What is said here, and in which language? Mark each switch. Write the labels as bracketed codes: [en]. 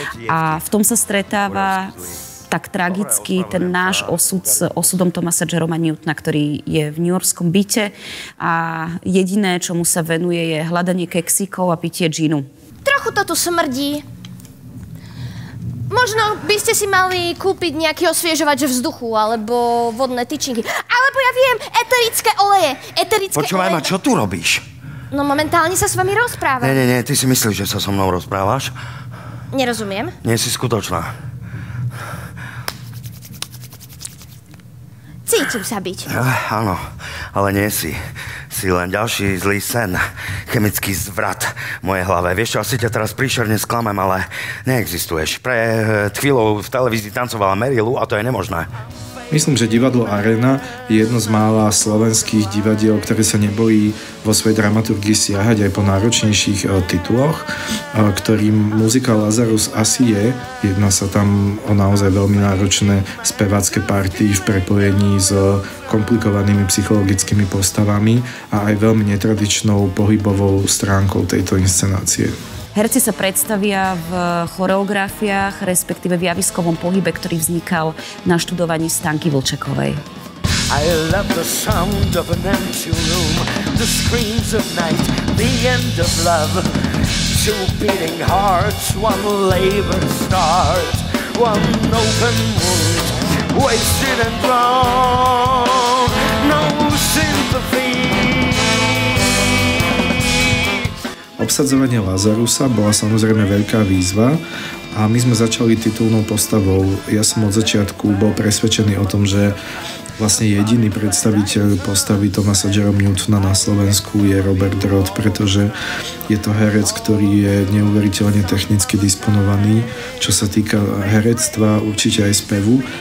[sk] A v tom sa stretáva tak tragicky ten náš osud s osudom Thomasa Jeroma Newtona, ktorý je v newyorskom byte a jediné, čo mu sa venuje, je hľadanie keksíkov a pitie džinu. Trochu to tu smrdí. Možno by ste si mali kúpiť nejaký osviežovač vzduchu, alebo vodné tyčinky. Alebo ja viem, eterické oleje. Eterické Počúvaj ma, čo tu robíš? No momentálne sa s vami rozprávam. Nie, ty si myslíš, že sa so mnou rozprávaš? Nerozumiem. Nie si skutočná. Cítim sa byť. Áno, ale nie si. Si len ďalší zlý sen, chemický zvrat v mojej hlave. Vieš čo, asi ťa teraz príšerne sklamem, ale neexistuješ. Pre chvíľou v televízii tancovala Mary Lou a to je nemožné. Myslím, že divadlo Arena je jedno z mála slovenských divadiel, ktoré sa nebojí vo svojej dramaturgii siahať aj po náročnejších tituloch, ktorým muzikál Lazarus asi je. Jedná sa tam o naozaj veľmi náročné spevácke party v prepojení s komplikovanými psychologickými postavami a aj veľmi netradičnou pohybovou stránkou tejto inscenácie. Herci sa predstavia v choreografiách, respektíve v javiskovom pohybe, ktorý vznikal na študovaní Stanky Vlčekovej. [en] I love the sound of an empty room, the screams of night, the end of love. Two beating hearts, one labored start, one open wound, wasted and drawn, no sympathy. [sk] Obsadzovanie Lazarusa bola samozrejme veľká výzva a my sme začali titulnou postavou. Ja som od začiatku bol presvedčený o tom, že vlastne jediný predstaviteľ postavy Thomasa Jerome Newtona na Slovensku je Robert Roth, pretože je to herec, ktorý je neuveriteľne technicky disponovaný, čo sa týka herectva, určite aj spevu.